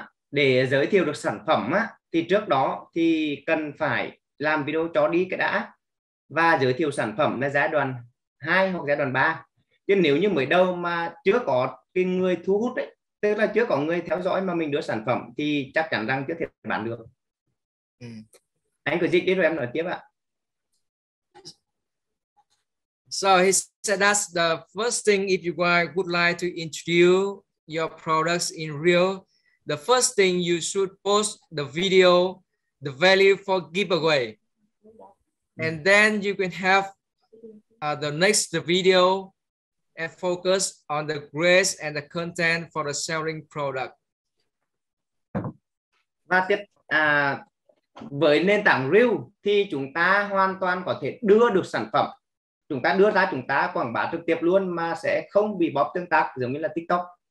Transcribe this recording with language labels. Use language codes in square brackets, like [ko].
[vi] Để giới thiệu được sản phẩm á, thì trước đó thì cần phải làm video cho đi cái đã và giới thiệu sản phẩm là giai đoạn 2 hoặc giai đoạn 3. Chứ nếu như mới đâu mà chưa có cái người thu hút ấy, tức là chưa có người theo dõi mà mình đưa sản phẩm thì chắc chắn rằng chưa thể bán được. Anh cứ dịch đi rồi em nói tiếp ạ. [en] So he said that's the first thing if you would like to introduce your products in real. The first thing you should post the video, the value for giveaway. And then you can have the next video and focus on the grace and the content for the selling product. [vi] Và tiếp, với nền tảng Reel thì chúng ta hoàn toàn có thể đưa được sản phẩm. Chúng ta đưa ra, chúng ta quảng bá trực tiếp luôn mà sẽ không bị bóp tương tác giống như là TikTok.